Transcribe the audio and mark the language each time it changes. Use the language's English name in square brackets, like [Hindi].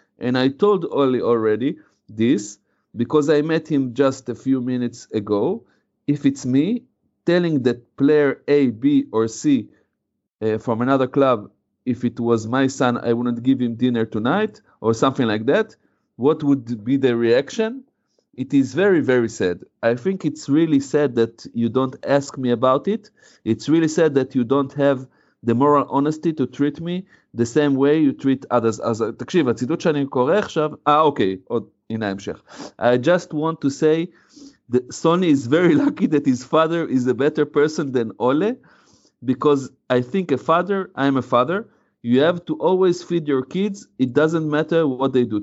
[English] And I told Ole already this, because I met him just a few minutes ago, if it's me telling that player A, B or C from another club, if it was my son, I wouldn't give him dinner tonight, or something like that, what would be the reaction? it is very, very sad. I think it's really sad that you don't ask me about it. It's really sad that you don't have the moral honesty to treat me the same way you treat others. [Hebrew] אז תקשיב, הציטוט שאני קורא עכשיו, אוקיי, עוד, הנה המשך. [English] I just want to say that Sonny is very lucky that his father is a better person than Ole, because I think a father, I am a father, you have to always feed your kids, it doesn't matter what they do.